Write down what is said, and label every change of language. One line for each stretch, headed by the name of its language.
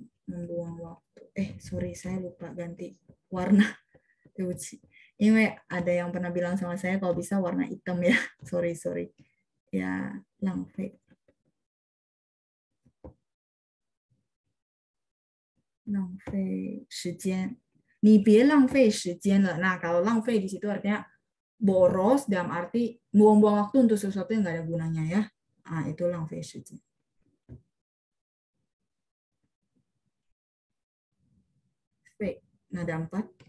Indonesian: Membuang waktu. Sorry, saya lupa ganti warna. Ini ada yang pernah bilang sama saya kalau bisa warna hitam ya. Sorry. Ya, langfei.
Chinese: "浪费时间"你别浪费时间了.
Indonesian: Nah, kalau "浪费" di situ artinya boros, dalam arti buang-buang waktu untuk sesuatu yang nggak ada gunanya ya. Ah, itu "浪费时间". Nada empat.